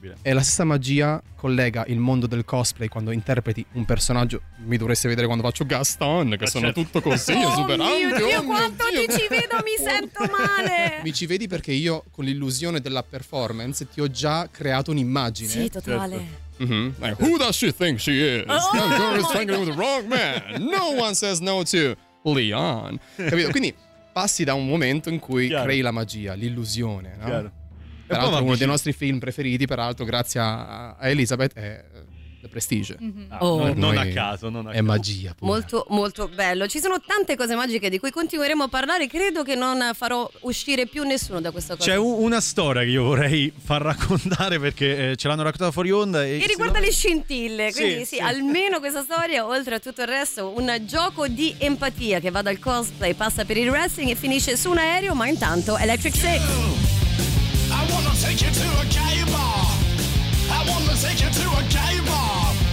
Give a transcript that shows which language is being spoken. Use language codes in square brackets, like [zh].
[it] E la stessa magia collega il mondo del cosplay quando interpreti un personaggio. Mi dovresti vedere quando faccio Gaston, che sono tutto così, esuberante. Oh mio Dio, quanto Dio. Ti ci vedo, mi sento male. Mi ci vedi perché io, con l'illusione della performance, ti ho già creato un'immagine. Sì, totale. Certo. Mm-hmm. [en] Like, who does she think she is? Oh, the girl is hanging with the wrong man. No one says no to Leon. [it] Capito? Quindi... passi da un momento in cui, chiaro, crei la magia, l'illusione, no? Chiaro. Peraltro uno dei nostri film preferiti, peraltro grazie a Elizabeth, è The Prestige. Mm-hmm. Oh. Non a caso. È magia pure. Molto molto bello. Ci sono tante cose magiche di cui continueremo a parlare. Credo che non farò uscire più nessuno da questa cosa. C'è una storia che io vorrei far raccontare, perché ce l'hanno raccontata fuori onda. E che riguarda le scintille. Quindi sì, almeno questa storia, oltre a tutto il resto, un gioco di empatia che va dal cosplay, passa per il wrestling e finisce su un aereo. Ma intanto Electric Six. [en] I wanna take you to a gay bar. I wanna take you to a gay bar.